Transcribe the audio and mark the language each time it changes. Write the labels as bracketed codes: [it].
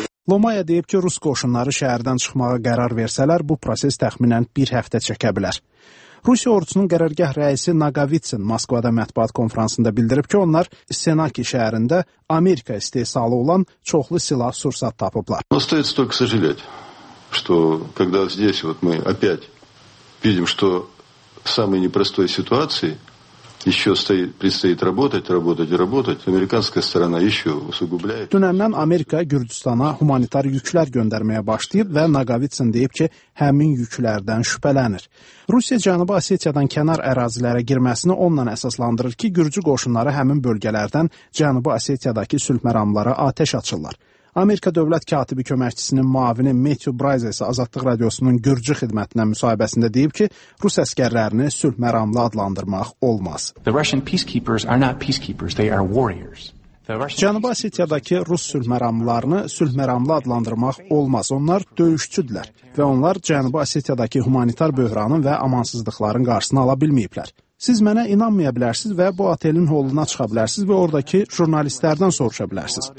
[az] Lomaya deyib ki, Rus qoşunları şəhərdən çıxmağa qərar versələr, bu proses təxminən bir həftə çəkə bilər. Rusiya ordusunun qərargah rəisi Naqavitsin Moskvada mətbuat konferansında bildirib ki, onlar Senaki şəhərində Amerika istehsalı olan çoxlu silah sursat tapıblar. [ru] Остается только сожалеть, что когда здесь вот мы опять видим, что в самой непростой ситуации еще стоит, предстоит работать, работать и работать, американская сторона еще усугубляет. [az] Dünəndən Amerika Gürcüstana humanitar yüklər göndərməyə başlayıb və Naqavitsin deyib ki, həmin yüklərdən şübhələnir. Rusiya Cənubi Osetiyadan kənar ərazilərə girməsini onunla əsaslandırır ki, Gürcü qoşunları həmin bölgələrdən Cənubi Osetiyadakı sülh məramlara atəş açırlar. Amerika Dövlət Katibi Köməkçisinin müavini Matthew Braza isə Azadlıq Radiosunun Gürcü xidmətinə müsahibəsində deyib ki, Rus əskərlərini sülh məramlı adlandırmaq olmaz. [en] The Russian peacekeepers are not peacekeepers, they are warriors. [az] Cənubi Osetiyadakı Rus sülh məramlılarını sülh məramlı adlandırmaq olmaz. Onlar döyüşçüdürlər və onlar Cənubi Osetiyadakı humanitar böhranın və amansızlıqların qarşısını ala bilməyiblər. Siz mənə inanmaya bilərsiniz və bu otelin holuna çıxa bilərsiniz və oradakı jurnalistlərdən soruşa bilərsiniz.